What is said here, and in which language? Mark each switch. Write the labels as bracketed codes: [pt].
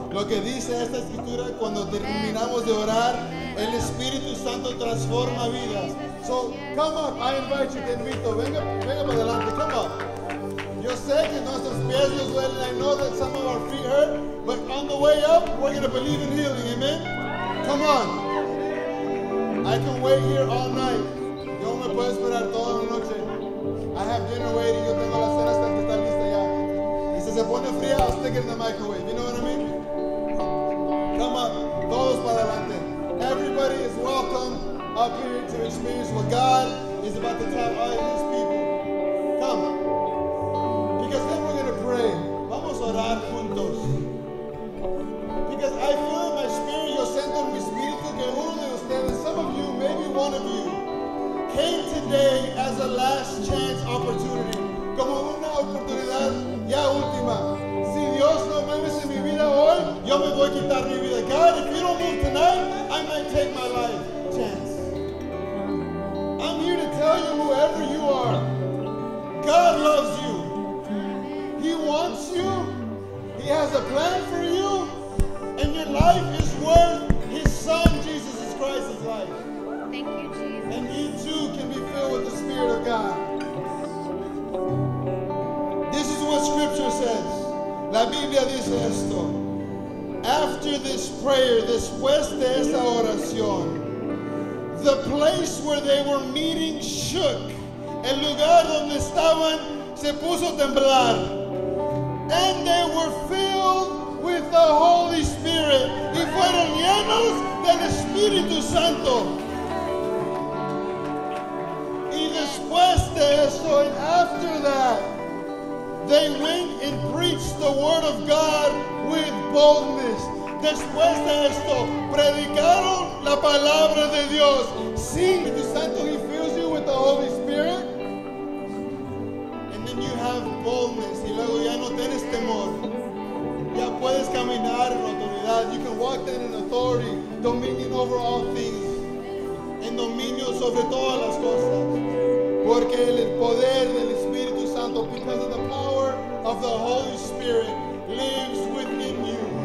[es] Lo que dice esta escritura cuando terminamos de orar, el Espíritu Santo transforma vidas. [en] So, come up, I invite you, [es] te invito, venga, venga para adelante, [en] come up. [es] Yo sé que nuestros pies nos duelen, [en] I know that some of our feet hurt, but on the way up, we're going to believe in healing, amen? Come on. I can wait here all night. [es] Yo me puedo esperar toda la noche. [en] I have dinner waiting, [es] yo tengo la cena hasta que está lista ya. Y si se pone fría, [en] I'll stick it in the microwave, you know what I mean? Come up, [es] todos para adelante. [en] Everybody is welcome up here to experience what God is about to tell all his people. Come. Because then we're going to pray. [es] Vamos a orar juntos. [en] Because I feel in my spirit, [es] yo siento en mi espíritu que uno de ustedes, [en] some of you, maybe one of you, came today as a last chance opportunity. [es] Como una oportunidad ya última. Si Dios no mueves en mi vida hoy, yo me voy a quitar mi vida. [en] God, if you don't move tonight, I might take my life. I'm here to tell you, whoever you are, God loves you. He wants you. He has a plan for you. And your life is worth his son, Jesus Christ's life. Thank you, Jesus. And you too can be filled with the Spirit of God. This is what Scripture says. [es] La Biblia dice esto. [en] After this prayer, [es] después de esta oración, [en] the place where they were meeting shook. [es] El lugar donde estaban se puso a temblar. [en] And they were filled with the Holy Spirit. [es] Y fueron llenos del Espíritu Santo. Y después de eso, [en] and after that, they went and preached the word of God with boldness. [es] Después de esto, predicaron la palabra de Dios. [en] See, the Santo, he fills you with the Holy Spirit. And then you have boldness. [es] Y luego ya no tienes temor. Ya puedes caminar en autoridad. [en] You can walk then in authority, dominion over all things. [es] En dominio sobre todas las cosas. Porque el poder del Espíritu Santo, [en] because of the power of the Holy Spirit, lives within you.